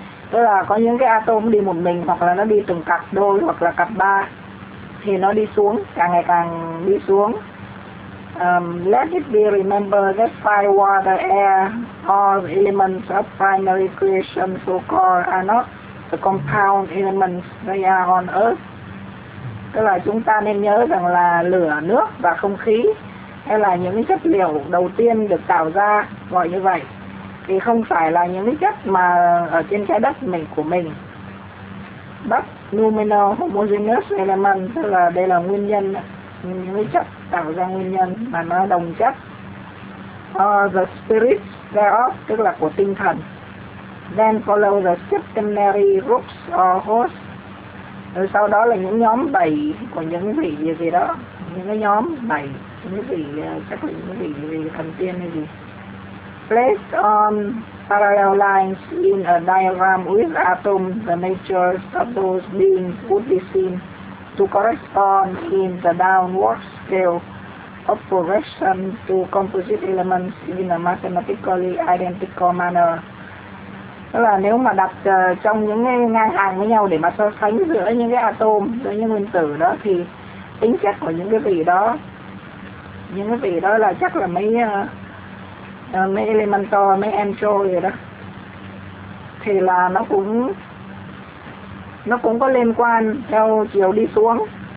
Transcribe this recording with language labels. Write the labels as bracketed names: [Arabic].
[Vietnamese] Tức là có những cái atom đi một mình, hoặc là nó đi từng cặp đôi hoặc là cặp ba, thì nó đi xuống, càng ngày càng đi xuống. [English] Let it be remembered that fire, water, air, all elements of primary creation so called are not the compound elements they are on earth. [Vietnamese] Tức là chúng ta nên nhớ rằng là lửa, nước và không khí, hay là những chất liệu đầu tiên được tạo ra, gọi như vậy, thì không phải là những chất mà ở trên trái đất mình của mình. [English] But nominal homogeneous element, [Vietnamese] tức là đây là nguyên nhân, những chất tạo ra nguyên nhân mà nó đồng chất. [English] The spirit thereof, [Vietnamese] tức là của tinh thần. [English] Then follow the septenary groups or hosts. [Vietnamese] Rồi sau đó là những nhóm bảy của những vị gì đó, những cái nhóm bảy, những vị chắc là những vị gì thần tiên hay gì. [English] Placed on parallel lines in a diagram with atoms, the natures of those beings would be seen to correspond in the downward scale of progression to composite elements in a mathematically identical manner. [Vietnamese] Tức là nếu mà đặt trong những ngang hàng với nhau để mà so sánh giữa những cái atom, giữa những nguyên tử đó, thì tính chất của những cái vị đó là chắc là mấy elementor, mấy ancho gì đó, thì là nó cũng có liên quan theo chiều đi xuống.